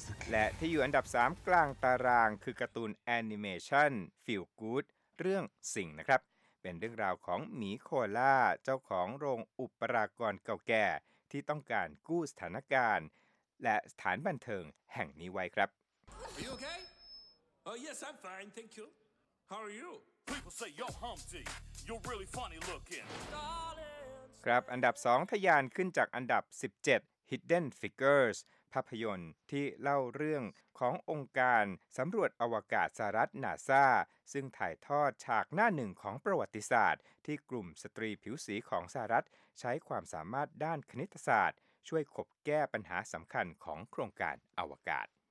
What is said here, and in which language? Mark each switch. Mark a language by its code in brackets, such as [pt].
[th] และที่อยู่อันดับ3กลางตารางคือการ์ตูนแอนิเมชั่น Feel Goodเรื่องสิ่งนะครับเป็นเรื่องราวของหมีโคอาล่าเจ้าของโรงอุปรากรเก่าแก่ที่ต้องการกู้สถานการณ์และสถานบันเทิงแห่งนี้ไว้ครับ [en] Are you okay? Oh yes, I'm fine, thank you. How are you? People say you're Humpty. You're really funny looking. [th] ครับอันดับ2ทะยานขึ้นจากอันดับ17 Hidden Figures ภาพยนตร์ที่เล่าเรื่องขององค์การสำรวจอวกาศสหรัฐ NASA ซึ่งถ่ายทอดฉากหน้าหนึ่งของประวัติศาสตร์ที่กลุ่มสตรีผิวสีของสหรัฐใช้ความสามารถด้านคณิตศาสตร์ช่วยขบแก้ปัญหาสำคัญของโครงการอวกาศ